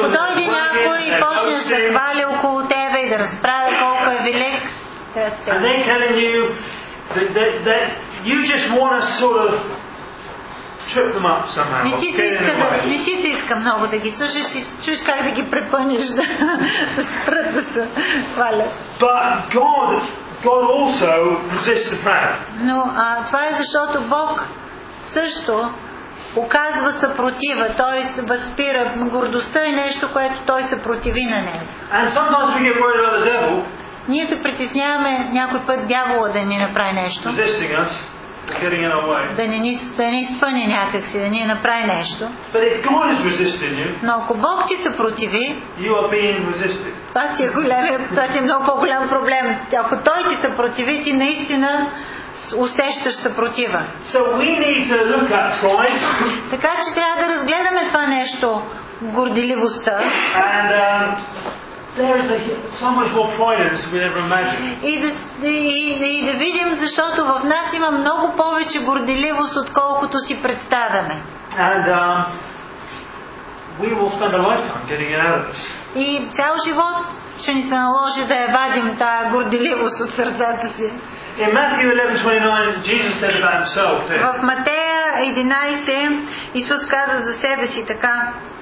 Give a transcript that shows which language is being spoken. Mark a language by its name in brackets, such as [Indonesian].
[Bulgarian] ако дойде някой и почне да се хвали около тебе и да разправя колко е велик, [English] and they're telling you that you just want to sort of trip them up somehow. [Bulgarian] Не ти се иска много да ги слушаш и чуеш как да ги препънеш да спрат да се хвалят. [English] But God also resists the proud. [Bulgarian] Но това е защото Бог също оказва съпротива, т.е. възпира гордостта и нещо, което той се противи на него. [English] And sometimes we get worried about the devil. [Bulgarian] Ние се притесняваме някой път дявола да ни направи нещо. [English] Resisting us, getting in our way. [Bulgarian] Да ни спъне някакси, да ни направи нещо. [English] But if God is resisting you, [Bulgarian] но ако Бог ти се противи, [English] you are being resisted. [Bulgarian] Това ти е много по-голям проблем. Ако той ти се противи, ти наистина усещаш съпротива. [English] So we need to look at pride. [Bulgarian] Така че трябва да разгледаме това нещо, горделивостта. [English] And there is so much more pride than we ever imagined. [Bulgarian] И да видим, защото в нас има много повече горделивост, отколкото си представяме. [English] And we will spend a lifetime getting it out of us. [Bulgarian] И цял живот ще ни се наложи да я вадим тая горделивост от сърцата си. [English] In Matthew 11:29, Jesus said about himself. [Bulgarian] В Матея 11 Исус каза за себе си така.